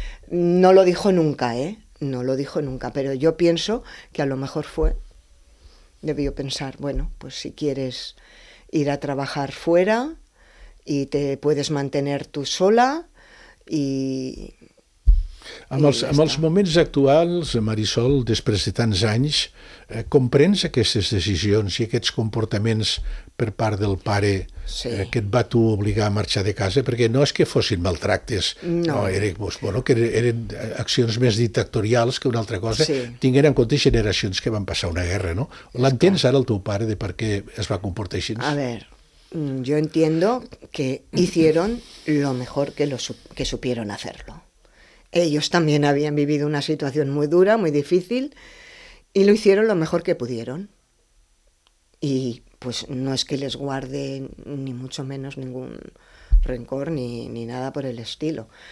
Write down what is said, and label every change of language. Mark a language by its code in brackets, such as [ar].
[es] No lo dijo nunca, ¿eh? No lo dijo nunca, pero yo pienso que a lo mejor fue. Debió pensar, bueno, pues si quieres ir a trabajar fuera y te puedes mantener tú sola y... [ca] En els moments actuals, Marisol, després de tants anys, comprens aquestes decisions i aquests comportaments per part del pare, sí, que et va tu obligar a marxar de casa? Perquè no és que fossin maltractes, no eren, pues, bueno, que eren accions més dictatorials que una altra cosa, sí, tinguent en compte generacions que van passar una guerra, no? L'entens ara el teu pare de per què es va comportar així? [es] A ver, yo entiendo que hicieron lo mejor que supieron hacerlo. Ellos también habían vivido una situación muy dura, muy difícil, y lo hicieron lo mejor que pudieron. Y pues no es que les guarde ni mucho menos ningún rencor ni nada por el estilo.